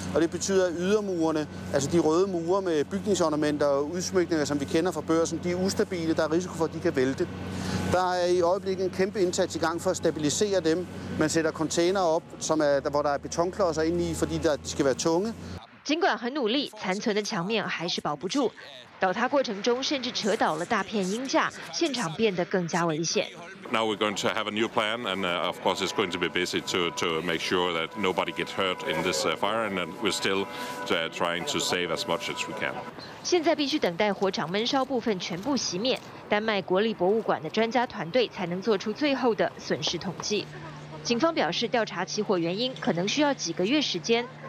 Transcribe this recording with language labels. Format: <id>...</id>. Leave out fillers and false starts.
<da>Og det betyder, at ydermurene, altså de røde mure med bygningsornamenter og udsmykninger, som vi kender fra børsen, de er ustabile. Der er risiko for, at de kan vælte. Der er i øjeblikket en kæmpe indsats i gang for at stabilisere dem. Man sætter container op, som er, hvor der er betonklodser ind i, fordi de skal være tunge.</da> <zh>尽管很努力，残存的墙面还是保不住。倒塌过程中，甚至扯倒了大片鹰架，现场变得更加危险。</zh> <en>Now we're going to have a new plan, and of course it's going to be busy to make sure that nobody gets hurt in this fire, and we're still trying to save as much as we can.</en> <zh>现在必须等待火场闷烧部分全部熄灭，丹麦国立博物馆的专家团队才能做出最后的损失统计。警方表示，调查起火原因可能需要几个月时间。</zh>